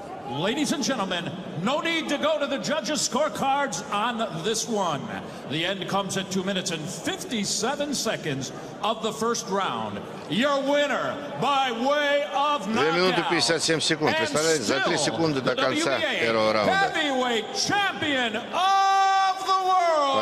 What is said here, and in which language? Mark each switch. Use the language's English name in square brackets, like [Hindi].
[English] Ladies and gentlemen, no need to go to the judges' scorecards on this one. The end comes at 2 minutes and 57 seconds of the first round. Your winner by way of knockout. [Russian] 2 минуты 57 секунд. Представляете, за 3 секунды до конца первого раунда. [English] Heavyweight champion of the world.